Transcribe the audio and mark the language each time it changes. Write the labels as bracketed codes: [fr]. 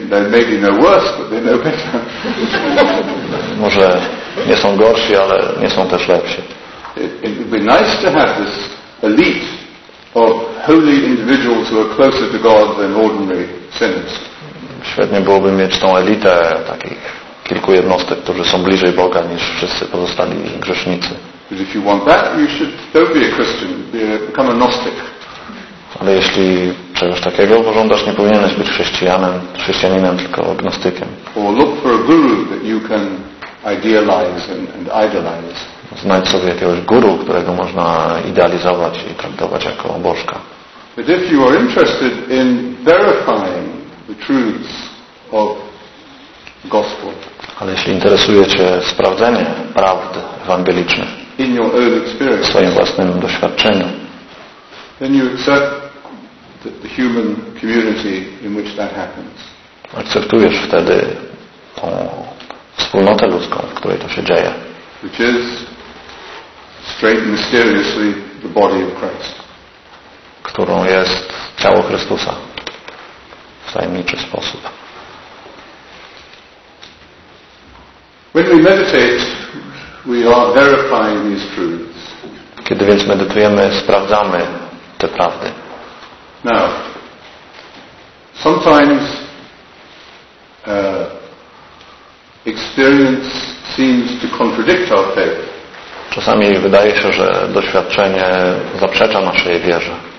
[en] Maybe no worse, but they know better. [pl] Może nie są gorsi, ale nie są też lepsi. [en] It would be nice to have this elite of holy individuals who are closer to God than ordinary sinners. [pl] Świetnie byłoby mieć tą elitę takich kilku jednostek, którzy są bliżej Boga niż wszyscy pozostali grzesznicy. [en] But if you want that, you should don't be a Christian, become a Gnostic. [pl] Ale jeśli czegoś takiego pożądasz, nie powinieneś być chrześcijaninem, tylko agnostykiem. [en] Or look for a guru that you can idealize and idolize. [pl] Znajdź sobie jakiegoś guru, którego można idealizować i traktować jako bożka. [en] But if you are interested in verifying the truths of gospel. [pl] Ale jeśli interesuje cię sprawdzenie prawd ewangelicznych [en] in your own experience, [pl] w swoim własnym doświadczeniu, [en] then you accept that the human community in which that happens. [pl] Akceptujesz wtedy tą wspólnotę ludzką, w której to się dzieje. [en] Which is straight and mysteriously the body of Christ. [pl] Którą jest ciało Chrystusa w tajemniczy sposób. [en] When we meditate, we are verifying these truths. [pl] Kiedy więc medytujemy, sprawdzamy te prawdy. [en] Now, sometimes experience seems to contradict our faith. [pl] Czasami wydaje się, że doświadczenie zaprzecza naszej wierze.